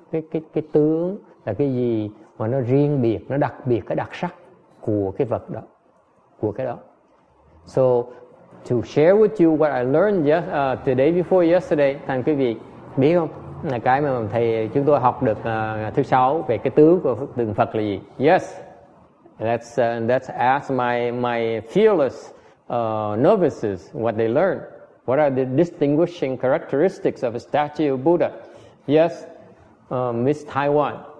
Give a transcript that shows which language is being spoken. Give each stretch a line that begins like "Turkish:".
Vietnamese: Cái tướng là cái gì mà nó riêng biệt, nó đặc biệt, cái đặc sắc của cái vật đó, của cái đó.
English: So to share with you what I learned today before yesterday,
Vietnamese: thành quý vị biết không? Là cái mà thầy chúng tôi học được thứ sáu về cái tướng của tượng Phật là gì?
English: Yes, let's ask my fearless novices what they learned. What are the distinguishing characteristics of a statue of Buddha? Yes, Miss Taiwan.